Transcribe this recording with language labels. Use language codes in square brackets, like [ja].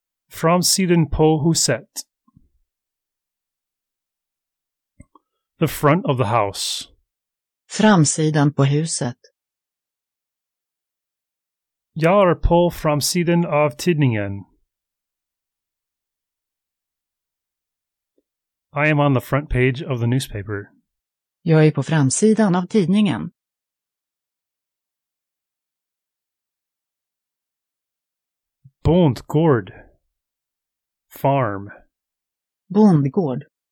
[sv] Framsidan på huset. [en] The front of the house. [sv] Framsidan på huset. Jag är på framsidan av tidningen. [en] I am on the front page of the newspaper. [sv] Jag är på framsidan av tidningen. Bondgård. [en] Farm. [sv] Bondgård.